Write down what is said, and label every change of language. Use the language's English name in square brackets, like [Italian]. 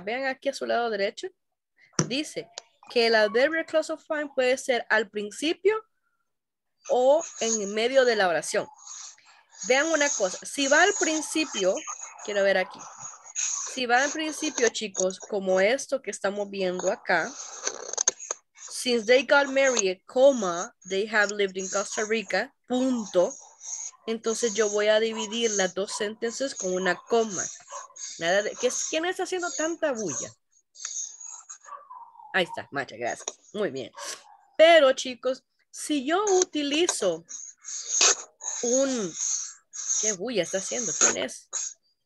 [Spanish] Vean aquí a su lado derecho. Dice que el adverbial clause of time puede ser al principio o en medio de la oración. Vean una cosa. Si va al principio, quiero ver aquí. Si va al principio, chicos, como esto que estamos viendo acá. [English] Since they got married, comma, they have lived in Costa Rica, punto. [Spanish] Entonces yo voy a dividir las dos sentences con una coma. Nada de, ¿quién está haciendo tanta bulla? Ahí está, macha, gracias. Muy bien. Pero, chicos, si yo utilizo un... ¿Qué bulla está haciendo? ¿Quién es?